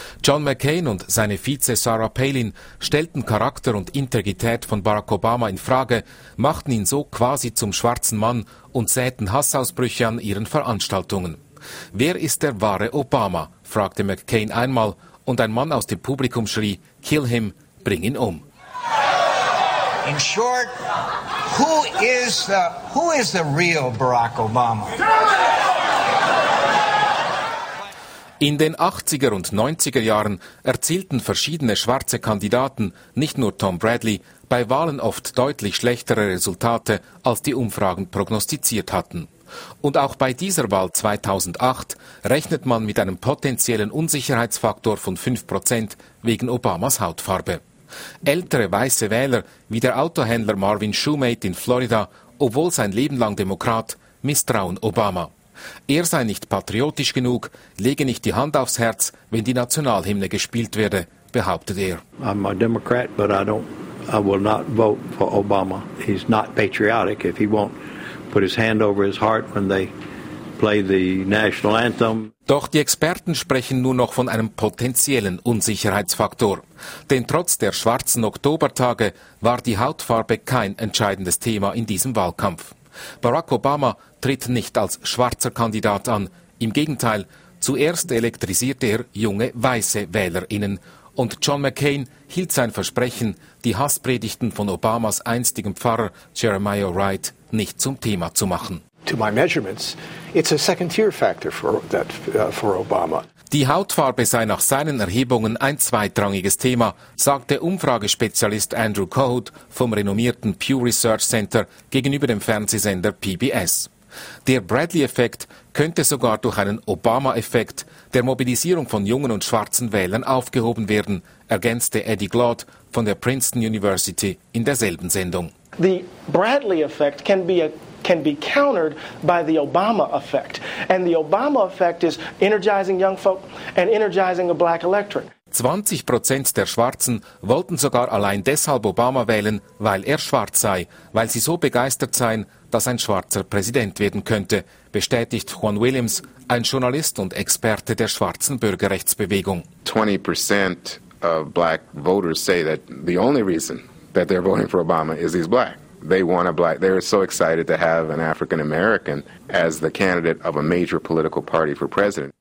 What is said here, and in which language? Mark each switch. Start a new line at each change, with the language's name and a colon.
German: John McCain und seine Vize Sarah Palin stellten Charakter und Integrität von Barack Obama in Frage, machten ihn so quasi zum schwarzen Mann und säten Hassausbrüche an ihren Veranstaltungen. «Wer ist der wahre Obama?», fragte McCain einmal, und ein Mann aus dem Publikum schrie:
English: «Kill him,
German: bring ihn um!»
English: In short, who is the real Barack Obama?
German: In den 80er und 90er Jahren erzielten verschiedene schwarze Kandidaten, nicht nur Tom Bradley, bei Wahlen oft deutlich schlechtere Resultate, als die Umfragen prognostiziert hatten. Und auch bei dieser Wahl 2008 rechnet man mit einem potenziellen Unsicherheitsfaktor von 5% wegen Obamas Hautfarbe. Ältere weiße Wähler, wie der Autohändler Marvin Shumate in Florida, obwohl sein Leben lang Demokrat, misstrauen Obama. Er sei nicht patriotisch genug, lege nicht die Hand aufs Herz, wenn die Nationalhymne gespielt werde, behauptet er.
English: I'm a Democrat, but I will not vote for Obama. He's not patriotic if he won't put his hand over his heart when they play the national anthem.
German: Doch die Experten sprechen nur noch von einem potenziellen Unsicherheitsfaktor. Denn trotz der schwarzen Oktobertage war die Hautfarbe kein entscheidendes Thema in diesem Wahlkampf. Barack Obama tritt nicht als schwarzer Kandidat an. Im Gegenteil, zuerst elektrisierte er junge weiße WählerInnen. Und John McCain hielt sein Versprechen, die Hasspredigten von Obamas einstigem Pfarrer Jeremiah Wright nicht zum Thema zu machen.
English: To my measurements, it's a second-tier factor for Obama.
German: Die Hautfarbe sei nach seinen Erhebungen ein zweitrangiges Thema, sagte Umfragespezialist Andrew Cohut vom renommierten Pew Research Center gegenüber dem Fernsehsender PBS. Der Bradley-Effekt könnte sogar durch einen Obama-Effekt der Mobilisierung von jungen und schwarzen Wählern aufgehoben werden, ergänzte Eddie Glaude von der Princeton University in derselben Sendung.
English: The Bradley-Effekt can be countered by the Obama effect. And the Obama effect is energizing young folk and energizing a black electorate.
German: 20% der Schwarzen wollten sogar allein deshalb Obama wählen, weil er schwarz sei, weil sie so begeistert seien, dass ein Schwarzer Präsident werden könnte, bestätigt Juan Williams, ein Journalist und Experte der schwarzen Bürgerrechtsbewegung.
English: 20% of black voters say that the only reason that they're voting for Obama is he's black. They want a black. They are so excited to have an African American as the candidate of a major political party for president.